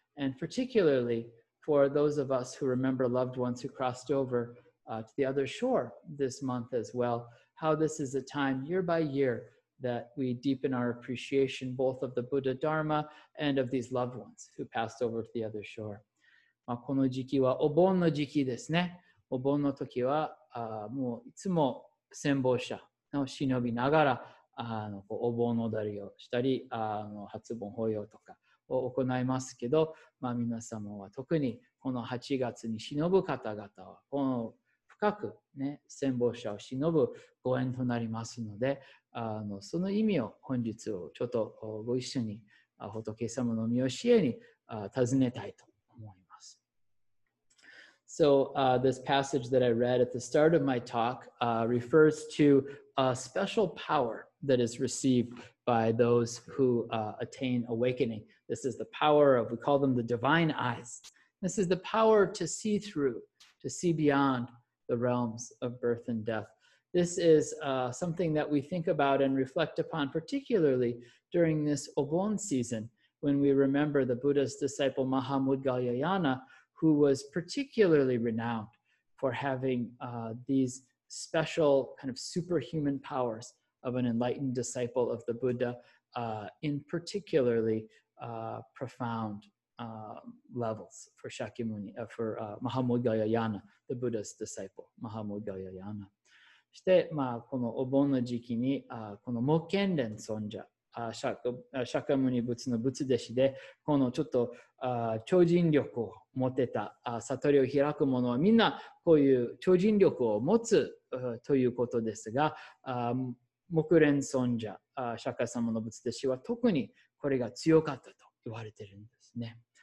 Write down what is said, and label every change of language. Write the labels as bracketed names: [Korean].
[English] And particularly for those of us who remember loved ones who crossed over to the other shore this month as well, how this is a time year by year that we deepen our appreciation both of the Buddha Dharma and of these loved ones who passed over to the other shore. [Japanese] まあ、この時期はお盆の時期ですね。お盆の時はもういつも戦没者を忍びながらお盆踊りをしたり初盆法要とかを行いますけど、まあ、皆様は特にこの8月に忍ぶ方々はこの深く、ね、戦没者を忍ぶご縁となりますのでその意味を本日をちょっとご一緒に仏様の御教えに尋ねたいと。 [English] So this passage that I read at the start of my talk refers to a special power that is received by those who attain awakening. This is the power of, we call them the divine eyes. This is the power to see through, to see beyond the realms of birth and death. This is something that we think about and reflect upon, particularly during this Obon season, when we remember the Buddha's disciple Mahamudgalyayana, who was particularly renowned for having these special kind of superhuman powers of an enlightened disciple of the Buddha in particularly profound levels for Shakyamuni, Mahamudgalyayana, the Buddha's disciple, Mahamudgalyayana. [Japanese] そして、まあ、このお盆の時期に、この摩肩蓮尊者、釈迦牟尼仏の仏弟子で、このちょっと超人力を持てた悟りを開く者はみんなこういう超人力を持つということですが、木蓮尊者、釈迦様の仏弟子は特にこれが強かったと言われているんですね。